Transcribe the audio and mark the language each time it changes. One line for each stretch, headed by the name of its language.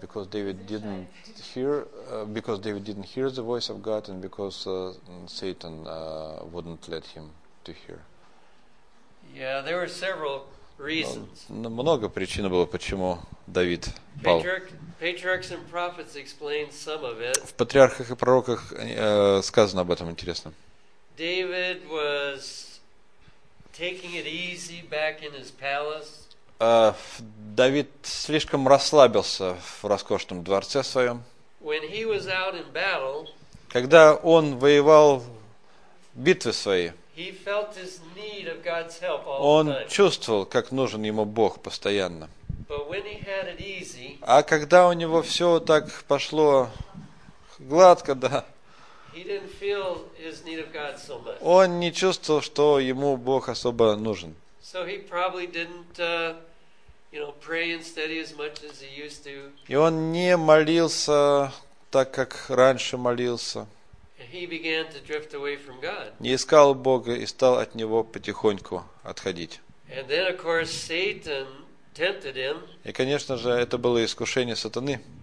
English: Because David didn't hear, the voice of God, and because Satan wouldn't let him to hear. Yeah, there were several reasons.
Russian: Много причин было, почему Давид пал.
English: Patriarchs and prophets explain some of it.
Russian: В патриархах и пророках сказано об этом интересно.
English: David was taking it easy back in his palace.
Russian: Давид слишком расслабился в роскошном дворце своем.
English: Battle,
Russian: когда он воевал битвы свои, он чувствовал, как нужен ему Бог постоянно.
English: Easy,
Russian: а когда у него все так пошло гладко, да,
English: so
Russian: он не чувствовал, что ему Бог особо нужен.
English: So he probably didn't, you know, pray and study as much as he used to.
Russian: И он не молился так, как раньше молился.
English: He began to drift away from God.
Russian: Не искал Бога и стал от него потихоньку отходить.
English: And then, of course, Satan tempted him.
Russian: И, конечно же, это было искушение сатаны.